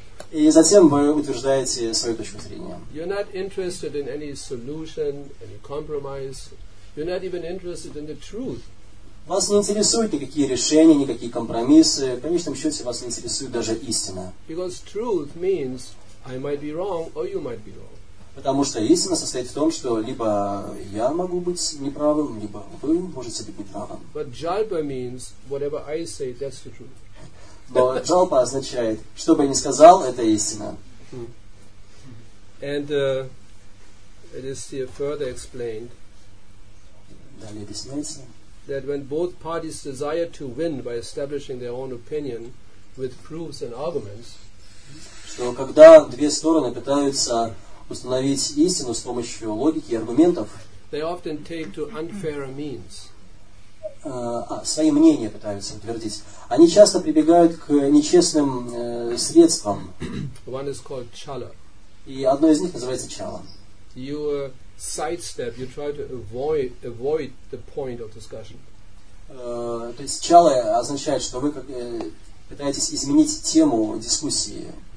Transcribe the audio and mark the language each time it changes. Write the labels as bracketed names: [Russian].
[Russian] И затем вы утверждаете свою точку зрения. [English] You're not interested in any solution, any compromise. You're not even interested in the truth. [Russian] Вас не интересуют никакие решения, никакие компромиссы. В конечном счете вас не интересует даже истина. [English] Because truth means I might be wrong or you might be wrong. [Russian] Потому что истина состоит в том, что либо я могу быть неправым, либо вы можете быть неправым. [English] But jalpa means whatever I say, that's the truth. [Russian] Но jalpa означает, что бы я ни сказал, это истина. [English] And it is here further explained. [Russian] Далее объясняется. [English] That when both parties desire to win by establishing their own opinion with proofs and arguments. [Russian] Что когда две стороны пытаются установить истину с помощью логики и аргументов. [English] They often take to unfair means. [Russian] Свои мнения пытаются утвердить. Они часто прибегают к нечестным средствам. [English] One is called chala. [Russian] И одно из них называется чала. [English] You sidestep, you try to avoid the point of discussion. [Russian] То есть чала означает, что вы пытаетесь изменить тему дискуссии.